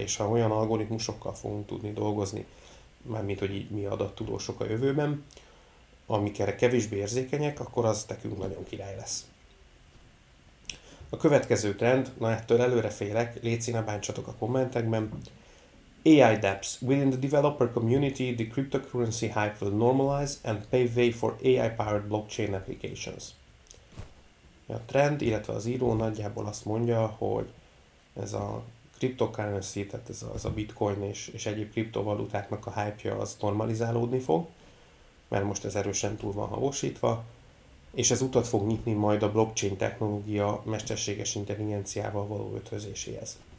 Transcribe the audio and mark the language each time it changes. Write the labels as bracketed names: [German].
[Hungarian] És ha olyan algoritmusokkal fogunk tudni dolgozni, mármint hogy így mi adattudósok a jövőben, amik erre kevésbé érzékenyek, akkor az nekünk nagyon király lesz. A következő trend, na ettől előre félek, légy színe bántsatok a kommentekben. AI dApps. [English] Within the developer community, the cryptocurrency hype will normalize and pave way for AI-powered blockchain applications. [Hungarian] A trend, illetve az író nagyjából azt mondja, hogy ez a cryptocurrency, tehát ez a bitcoin és egyéb kriptovalutáknak a hype-ja az normalizálódni fog, mert most ez erősen túl van havosítva, és ez utat fog nyitni majd a blockchain technológia mesterséges intelligenciával való ötvözéséhez.